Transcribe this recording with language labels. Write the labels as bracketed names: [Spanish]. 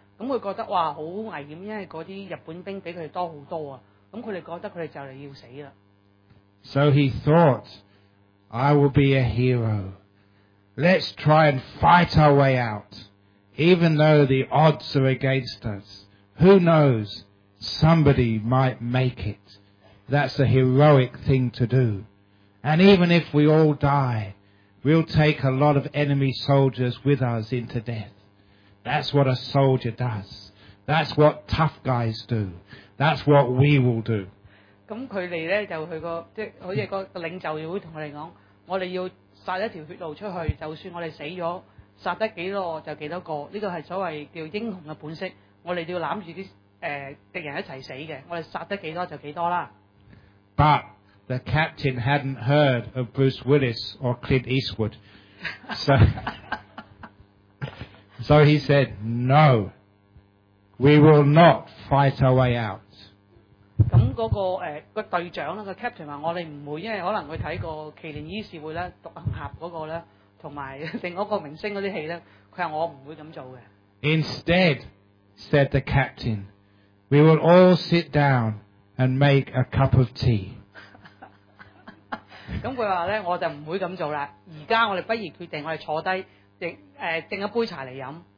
[Cantonese] 咁佢覺得哇好危險，因為嗰啲日本兵比佢多好多啊！咁佢哋覺得佢哋就嚟要死啦。 [English] So he thought, I will be a hero. Let's try and fight our way out, even though the odds are against us. Who knows? Somebody might make it. That's a heroic thing to do. And even if we all die, we'll take a lot of enemy soldiers with us into death. That's what a soldier does. That's what tough guys do. That's what we will do. [Cantonese] 咁佢嚟咧就去個即係好似個領袖會同我哋講，我哋要殺一條血路出去，就算我哋死咗，殺得幾多就幾多個。呢個係所謂叫英雄嘅本色。我哋要攬住啲敵人一齊死嘅，我哋殺得幾多就幾多啦。 [English] But the captain hadn't heard of Bruce Willis or Clint Eastwood. So he said, no, we will not fight our way out. [Cantonese] 咁嗰個個隊長啦，個 captain 話我哋唔會，因為可能佢睇過《奇靈醫事會》咧，《獨行俠》嗰個咧，同埋另外一個明星嗰啲戲咧，佢話我唔會咁做嘅。 [English] Instead, said the captain, we will all sit down and make a cup of tea. [Cantonese] 咁佢話咧，我就唔會咁做啦。而家我哋不如決定，我哋坐低，整一杯茶嚟飲。